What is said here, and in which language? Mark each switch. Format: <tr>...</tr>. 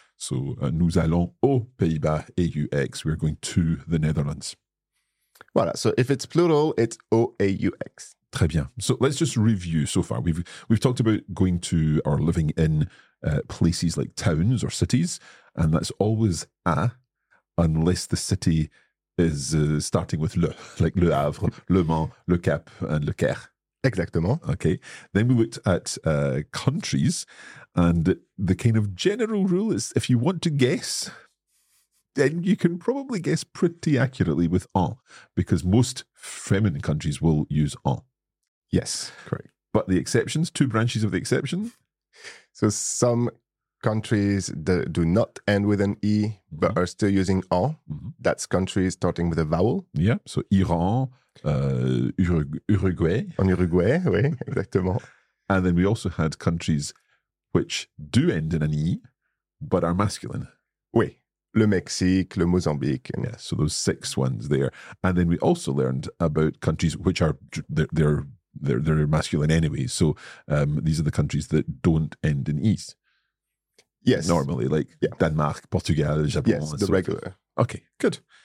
<fr>So nous allons aux Pays-Bas, AUX.</fr> <en>We're going to the Netherlands. Voilà, so if it's plural, it's OAUX.</en> <fr>Très bien.</fr> <en>So let's just review so far. We've talked about going to or living in places like towns or cities, and that's always a, unless the city is starting with le, like Le Havre, Le Mans, Le Cap, and Le Caire.</en> <fr>Exactement.</fr> <en>Okay. Then we looked at countries, and the kind of general rule is if you want to guess, then you can probably guess pretty accurately with en, because most feminine countries will use en. Yes, correct. But the exceptions, two branches of the exception. So some countries that do not end with an E, but are still using en. Mm-hmm. That's countries starting with a vowel. Yeah, so Iran, Uruguay.</en> <fr>En Uruguay, oui, exactement.</fr> <en>And then we also had countries which do end in an E, but are masculine.</en> <fr>Oui, le Mexique, le Mozambique.</fr> <en>And yeah, so those six ones there. And then we also learned about countries which are, they're masculine anyway. So these are the countries that don't end in E's. Yes. Normally, like Denmark, Portugal, Japan. Yes, the regular. Okay, good.</en>